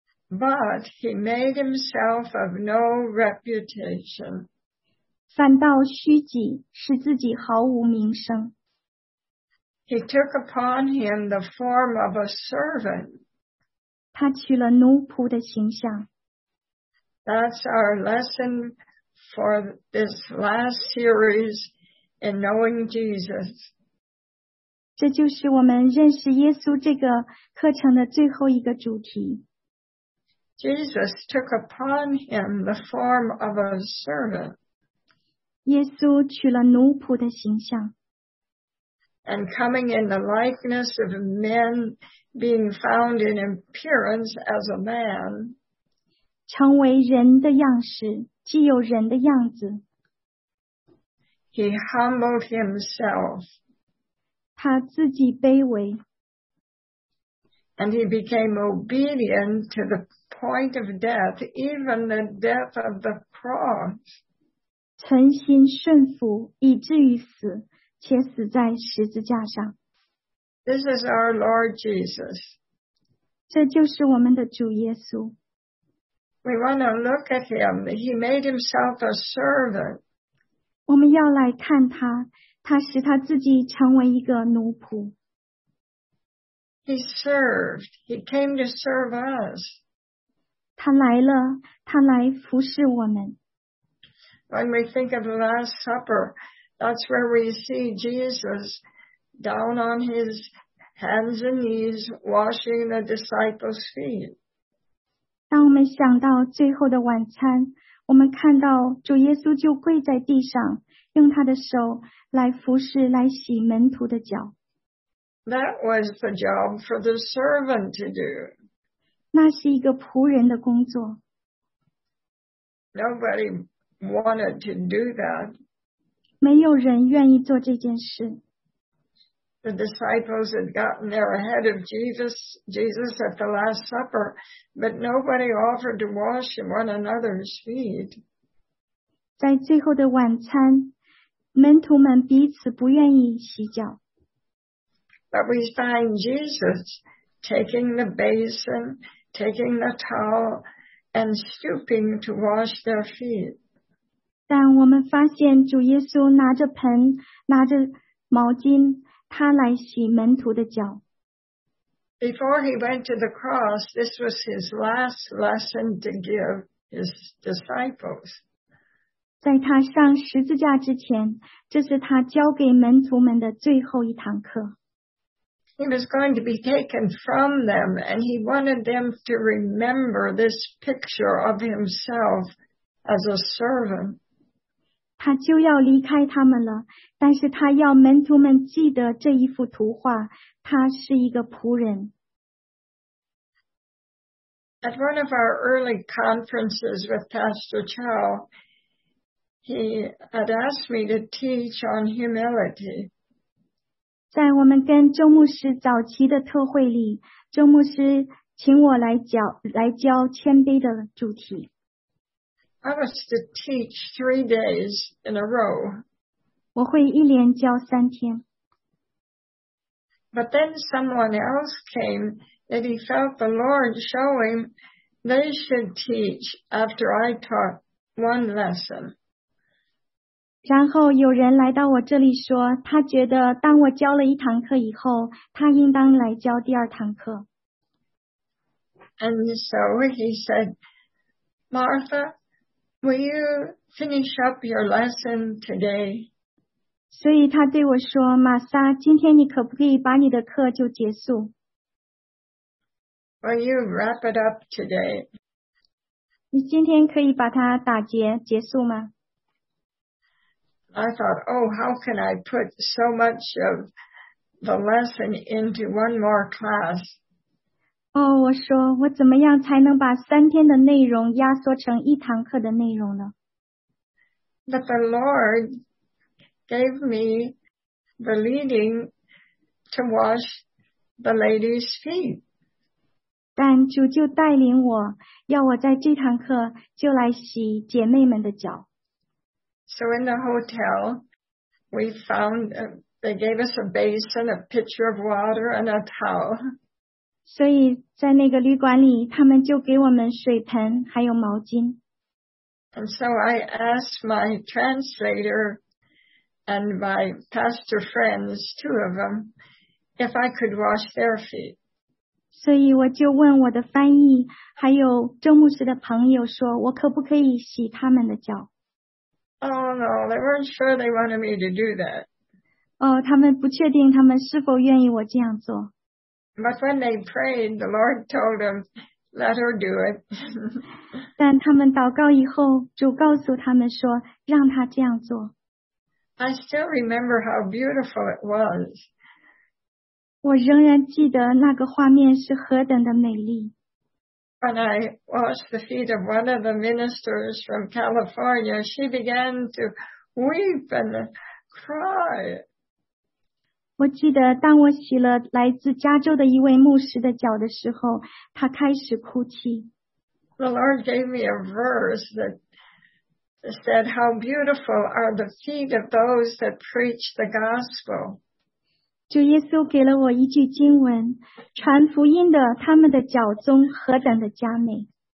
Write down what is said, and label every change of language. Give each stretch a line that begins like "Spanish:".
English: But he made himself of no reputation.
Chinese: 反倒虚己，使自己毫无名声。
English: He took upon him the form of a servant.
Chinese: 他取了奴仆的形象。
English: That's our lesson for this last series in knowing Jesus.
Chinese: 这就是我们认识耶稣这个课程的最后一个主题。
English: Jesus took upon him the form of a servant.
Chinese: 耶稣取了奴仆的形象。
English: And coming in the likeness of men, being found in appearance as a man.
Chinese: 成为人的样式，既有人的样子。
English: He humbled himself.
Chinese: 他自己卑微。
English: And he became obedient to the point of death, even the death of the cross.
Chinese: 存心顺服，以至于死，且死在十字架上。
English: This is our Lord Jesus.
Chinese: 这就是我们的主耶稣。
English: We want to look at him. He made himself a servant.
Chinese: 我们要来看他，他使他自己成为一个奴仆。
English: He served. He came to serve us.
Chinese: 他来了，他来服侍我们。
English: When we think of the Last Supper, that's where we see Jesus down on his hands and knees washing the disciples' feet.
Chinese: 当我们想到最后的晚餐，我们看到主耶稣就跪在地上，用他的手来服侍，来洗门徒的脚。
English: That was the job for the servant to do.
Chinese: 那是一个仆人的工作。
English: Nobody wanted to do that.
Chinese: 没有人愿意做这件事。
English: The disciples had gotten there ahead of Jesus at the Last Supper, but nobody offered to wash one another's feet.
Chinese: 在最后的晚餐，门徒们彼此不愿意洗脚。
English: But we find Jesus taking the basin, taking the towel, and stooping to wash their feet.
Chinese: 但我们发现主耶稣拿着盆，拿着毛巾，他来洗门徒的脚。
English: Before he went to the cross, this was his last lesson to give his disciples.
Chinese: 在他上十字架之前，这是他教给门徒们的最后一堂课。
English: He was going to be taken from them, and he wanted them to remember this picture of himself as a servant.
Chinese: 他就要离开他们了，但是他要门徒们记得这一幅图画，他是一个仆人。
English: At one of our early conferences with Pastor Chow, he had asked me to teach on humility.
Chinese: 在我们跟周牧师早期的特会里，周牧师请我来教谦卑的主题。
English: I was to teach 3 days in a row.
Chinese: 我会一连教三天。
English: But then someone else came that he felt the Lord showing they should teach after I taught one lesson.
Chinese: 然后有人来到我这里说，他觉得当我教了一堂课以后，他应当来教第二堂课。
English: And so he said, Martha, will you finish up your lesson today?
Chinese: 所以他对我说，玛莎，今天你可不可以把你的课就结束？
English: Will you wrap it up today?
Chinese: 你今天可以把它打结结束吗？
English: I thought, oh, how can I put so much of the lesson into one more class?
Chinese: 我说我怎么样才能把三天的内容压缩成一堂课的内容呢？
English: But the Lord gave me the leading to wash the lady's feet.
Chinese: 但主就带领我，要我在这堂课就来洗姐妹们的脚。
English: So in the hotel, we found, they gave us a basin, a pitcher of water, and a towel.
Chinese: 所以在那个旅馆里，他们就给我们水盆，还有毛巾。
English: And so I asked my translator and my pastor friends, two of them, if I could wash their feet.
Chinese: 所以我就问我的翻译，还有周牧师的朋友说，我可不可以洗他们的脚？
English: Oh, no, they weren't sure they wanted me to do that.
Chinese: Oh, 他们不确定他们是否愿意我这样做。
English: But when they prayed, the Lord told them, let her do it.
Chinese: 但他们祷告以后，主告诉他们说，让他这样做。
English: I still remember how beautiful it was.
Chinese: 我仍然记得那个画面是何等的美丽。
English: When I washed the feet of one of the ministers from California, she began to weep and cry.
Chinese: 我记得当我洗了来自加州的一位牧师的脚的时候，他开始哭泣。
English: The Lord gave me a verse that said, "How beautiful are the feet of those that preach the gospel."
Chinese: 主耶稣给了我一句经文，传福音的他们的脚中何等的佳美。